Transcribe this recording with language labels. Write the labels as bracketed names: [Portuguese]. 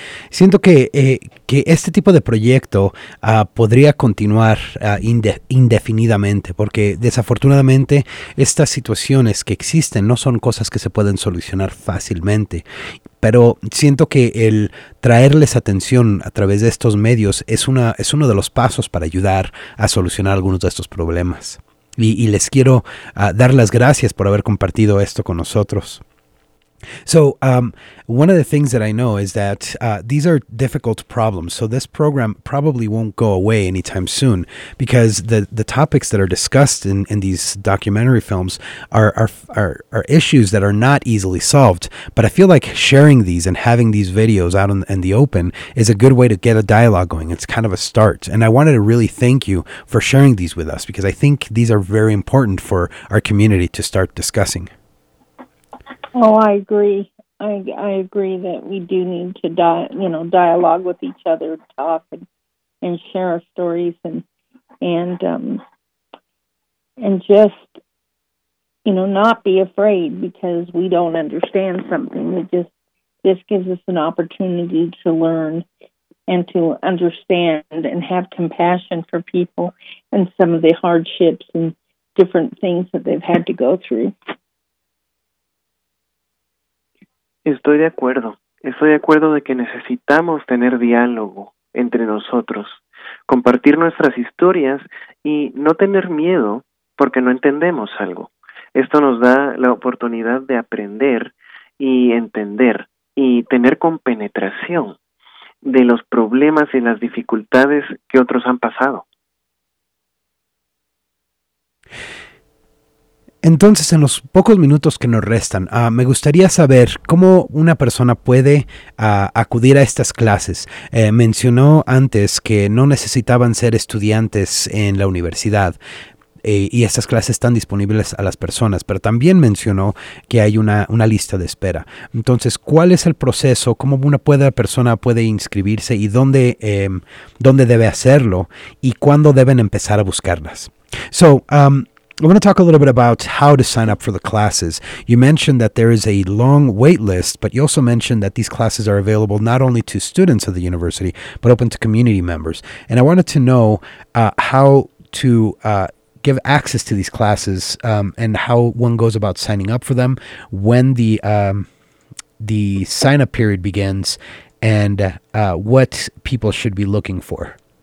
[Spanish] Siento que este tipo de proyecto podría continuar indefinidamente, porque desafortunadamente estas situaciones que existen no son cosas que se pueden solucionar fácilmente. Pero siento que el traerles atención a través de estos medios es uno de los pasos para ayudar a solucionar algunos de estos problemas. Y les quiero dar las gracias por haber compartido esto con nosotros. [English] So one of the things that I know is that these are difficult problems. So this program probably won't go away anytime soon, because the topics that are discussed in these documentary films are issues that are not easily solved. But I feel like sharing these and having these videos out in the open is a good way to get a dialogue going. It's kind of a start. And I wanted to really thank you for sharing these with us, because I think these are very important for our community to start discussing. Oh, I agree. I agree that we do need to dialogue with each other, talk and share our stories and just, you know, not be afraid because we don't understand something. It just gives us an opportunity to learn and to understand and have compassion for people and some of the hardships and different things that they've had to go through. [Spanish] Estoy de acuerdo. Estoy de acuerdo de que necesitamos tener diálogo entre nosotros, compartir nuestras historias y no tener miedo porque no entendemos algo. Esto nos da la oportunidad de aprender y entender y tener compenetración de los problemas y las dificultades que otros han pasado. Entonces, en los pocos minutos que nos restan, me gustaría saber cómo una persona puede acudir a estas clases. Mencionó antes que no necesitaban ser estudiantes en la universidad y estas clases están disponibles a las personas, pero también mencionó que hay una lista de espera. Entonces, ¿cuál es el proceso? ¿Cómo una persona puede inscribirse y dónde debe hacerlo y cuándo deben empezar a buscarlas? [English] So, I want to talk a little bit about how to sign up for the classes. You mentioned that there is a long wait list, but you also mentioned that these classes are available not only to students of the university, but open to community members. And I wanted to know how to give access to these classes and how one goes about signing up for them, when the sign-up period begins, and what people should be looking for.